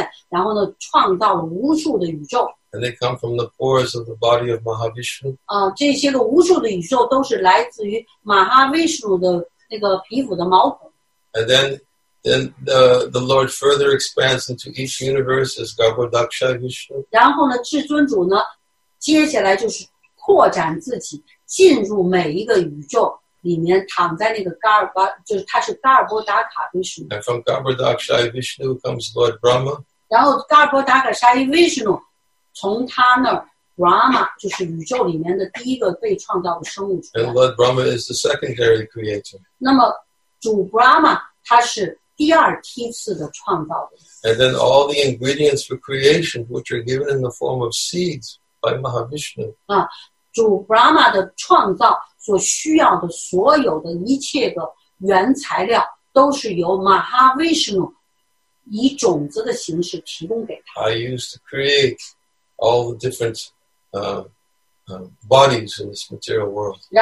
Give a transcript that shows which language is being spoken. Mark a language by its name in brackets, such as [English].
[Chinese] 那就像圣典伯加瓦坛里描述说至尊主呢靠他的意愿然后呢创造了无数的宇宙。 [English] And they come from the pores of the body of Mahavishnu. [Chinese] 这些个无数的宇宙都是来自于马哈维什努的那个皮肤的毛孔。 [English] And then the Lord further expands into each universe as Garbhodaksha Vishnu. [Chinese] 然后呢，至尊主呢，接下来就是扩展自己，进入每一个宇宙里面，躺在那个嘎尔巴，就是他是嘎尔波达卡维什努。 [English] And from Garbhodaksha Vishnu comes Lord Brahma. [Chinese] 然后嘎尔波达卡沙 Vishnu 从他那儿 Brahma 就是宇宙里面的第一个被创造的生物。 [English] And Lord Brahma is the secondary creator. [Chinese] 那么主 Brahma 他是第二梯次的创造的。 [English] And then all the ingredients for creation, which are given in the form of seeds by Mahavishnu. [Chinese] 主 Brahma 的创造所需要的所有的一切的原材料，都是由 Mahavishnu 以种子的形式提供给他。 [English] I used to create all the different bodies in this material world.